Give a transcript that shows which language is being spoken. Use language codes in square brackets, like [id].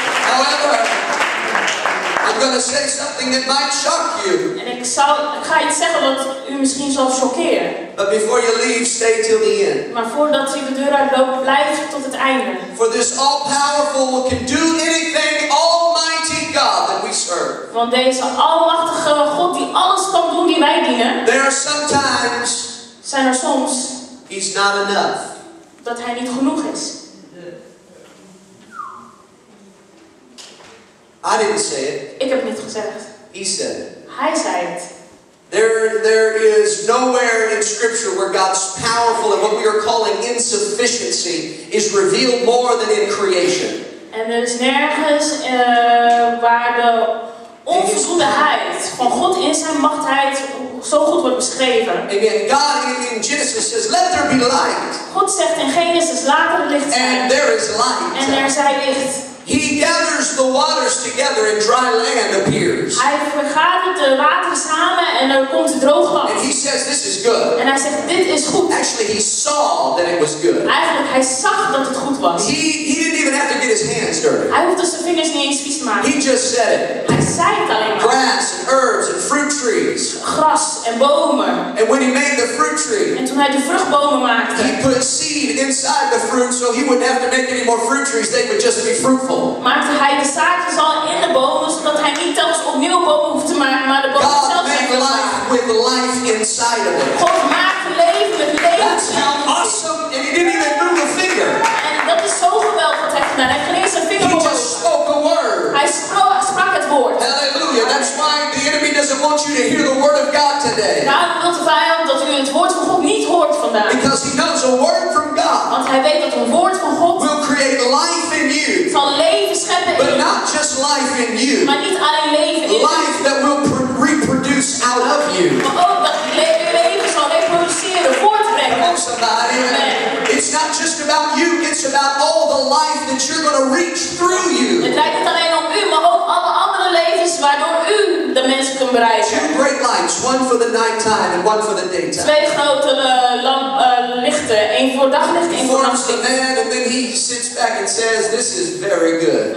[en] However, I'm going to say something that might shock you. [nl] Ik ga iets zeggen wat u misschien zal choqueren. [en] But before you leave, stay till the end. [nl] Maar voordat u de deur uitloopt, blijf tot het einde. [en] For this all-powerful can do anything, Almighty God that we serve. [nl] Want deze almachtige God die alles kan doen die wij dienen. [en] There are sometimes. [nl] Zijn er soms. [en] He's not enough. [nl] Dat hij niet genoeg is. [en] I didn't say it. [nl] Ik heb niet gezegd. [en] He said it. [nl] Hij zei het. [en] There is nowhere in Scripture where God's powerful and what we are calling insufficiency is revealed more than in creation. [nl] En er is nergens waar de onvoldoendeheid van God in zijn machtheid zo goed wordt beschreven. [en] Again, God in Genesis says, "Let there be light." [nl] God zegt in Genesis, laat er licht zijn. [en] And there is light. [nl] En er zij licht. [en] He gathers the waters together and dry land appears. [nl] Hij vergadert de wateren samen en er komt droog land. [en] And he says this is good. [nl] En hij zegt dit is goed. [en] Actually he saw that it was good. [nl] Eigenlijk hij zag dat het goed was. [en] He didn't even have to get his hands dirty. [nl] Hij hoefde zijn vingers niet eens vies te maken. [en] He just said it. [nl] Hij zei het alleen maar. [en] Grass and herbs and fruit trees. [nl] Gras en bomen. [en] And when he made the fruit tree. [nl] En toen hij de vruchtbomen maakte. [en] He put seed inside the fruit so he wouldn't have to make any more fruit trees. They would just be fruitful. [nl] Maakte hij de zaadjes al in de bomen, zodat hij niet telkens opnieuw bomen hoeft te maken, maar de bomen zelf zijn. God maakt leven met leven [en] inside of it. [nl] God maakt leven met leven. [en] That's how awesome, and he didn't even move a finger. [nl] En dat is zo geweldig wat hij gedaan. Hij kreeg zijn vinger omhoog. [en] He just spoke a word. [nl] Hij sprak het woord. [en] Hallelujah. That's why the enemy doesn't want you to hear the word of God today. [nl] Daarom wil de vijand dat u het woord van God niet hoort vandaag. [en] Because he knows a word from God. [nl] Want hij weet dat een woord van God [en] will create life in you. [nl] Van leven scheppen in. [en] But not just life in you. [nl] Maar niet alleen leven in. [en] Life that will reproduce out of you. [nl] Maar ook dat leven zal reproduceren, voortbrengen. [en] Come on, somebody. It's not just about you, it's about all the life that you're going to reach through you. [nl] Het draait niet alleen om u, maar ook alle andere levens waardoor u de mensen kunt bereiken. [en] 2 great lights, one for the nighttime and one for the daytime. [nl] 2 grote lichten, 1 voor daglicht, 1 voor nachtlicht. [en] He forms the man and then he sits back and says, this is very good.